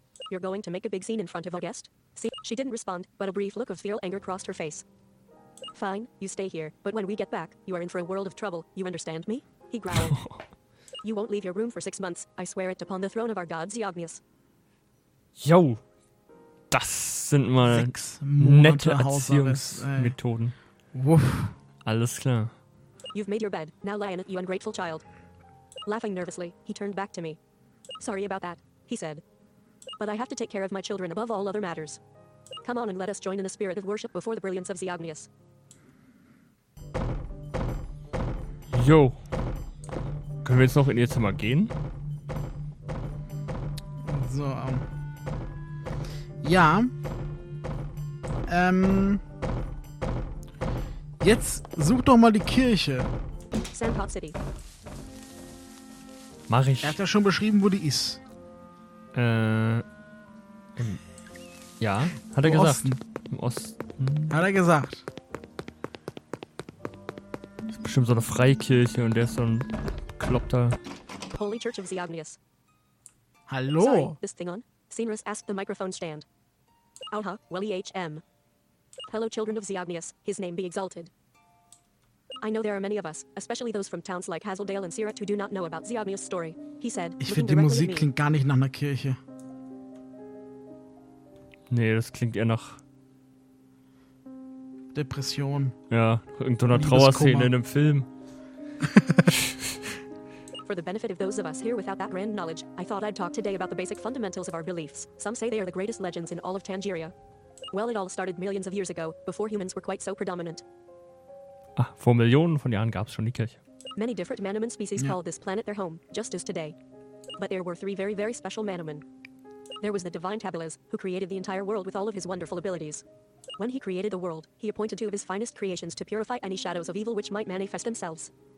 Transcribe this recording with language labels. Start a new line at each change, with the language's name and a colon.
English: You're going to make a big scene in front of a guest? See, she didn't respond, but a brief look of feral anger crossed her face. Fine, you stay here, but when we get back, you are in for a world of trouble, you understand me? He growled. You won't leave your room for 6 months, I swear it upon the throne of our god Ziognius. Yo!
German: Das sind mal nette Erziehungsmethoden. Wuff. Alles klar.
English: You've made your bed, now lie in it, you ungrateful child. Laughing nervously, he turned back to me. Sorry about that, he said. But I have to take care of my children above all other matters. Come on and let us join in a spirit of worship before the brilliance of Ziognius. Yo.
German: Können wir jetzt noch in ihr Zimmer gehen? So, Ja, jetzt such doch mal die Kirche.
English: Sandpot City.
German: Mach ich. Er hat ja schon beschrieben, wo die ist. Ja, hat er Im gesagt. Osten. Im Osten. Hat er gesagt. Das ist bestimmt so eine Freikirche und der ist so ein Kloppter.
English: Holy Church of Ziognius.
German: Hallo.
English: Sorry, this thing on? Scenerous asked the microphone stand. Alha, well EHM. Hello children of Ziognius, his name be exalted. I know there are many of us, especially those from towns like Hazeldale and Sirat who do not know about Ziognius' story, he said.
German: Ich finde die Musik klingt gar nicht nach einer Kirche. Nee, das klingt eher nach Depression. Ja, irgendeiner Trauerszene in einem Film.
English: For the benefit of those of us here without that grand knowledge, I thought I'd talk today about the basic fundamentals of our beliefs. Some say they are the greatest legends in all of Tangieria. Well, it all started millions of years ago, before humans were quite so predominant.
German: Ah, vor Millionen von Jahren gab's schon die Kirche.
English: Many different Manuman species called this planet their home, just as today. But there were three very, very special Manuman. There was the divine Tabalas, who created the entire world with all of his wonderful abilities. When he created the world, he appointed two of his finest creations to purify any shadows of evil which might manifest themselves.